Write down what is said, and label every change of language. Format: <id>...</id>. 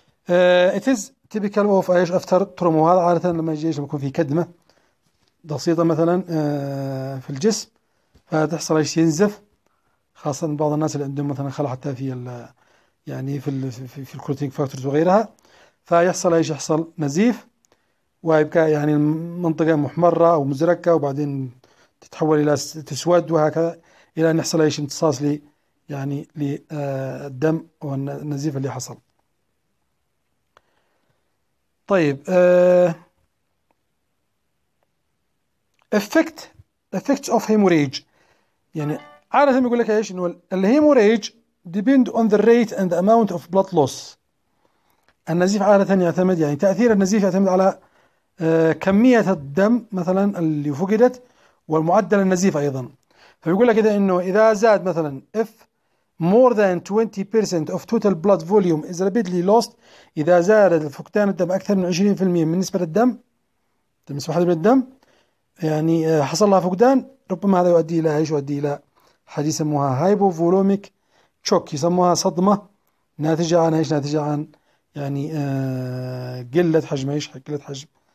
<en>at is typical of</en> <ar>ايش؟</ar> <en>after trauma,</en> <ar>هذا عادة لما يجي ايش؟ يكون في كدمة بسيطة مثلا في الجسم، فتحصل ايش؟ ينزف، خاصة بعض الناس اللي عندهم مثلا خلع حتى في يعني في الكروتينج فاكتورز وغيرها، فيحصل ايش؟ يحصل نزيف، ويبقى يعني المنطقة محمرة او مزرقة، وبعدين تتحول الى تسود، وهكذا الى ان يحصل ايش؟ امتصاص ل يعني للدم والنزيف اللي حصل.</ar> <en>طيب effects of hemorrhage،</en> <ar>يعني عادة يقول لك ايش؟ انه الهيموريج</ar> <en>depend on the rate and the amount of blood loss.</en> <ar>النزيف عادة يعتمد يعني تأثير النزيف يعتمد على كمية الدم مثلا اللي فقدت ومعدل النزيف ايضا. فيقول لك اذا زاد مثلا</ar> <en>if more than 20% of total blood volume is rapidly lost،</en> <ar>إذا زاد فقدان الدم أكثر من 20% من نسبة الدم، بالنسبة من الدم يعني حصل لها فقدان، ربما هذا يؤدي إلى إيش؟ يؤدي إلى حد يسموها</ar> <en>hypovolemic shock،</en> <ar>يسموها صدمة ناتجة عن إيش؟ ناتجة عن يعني قلة حجم إيش؟ قلة حجم</ar>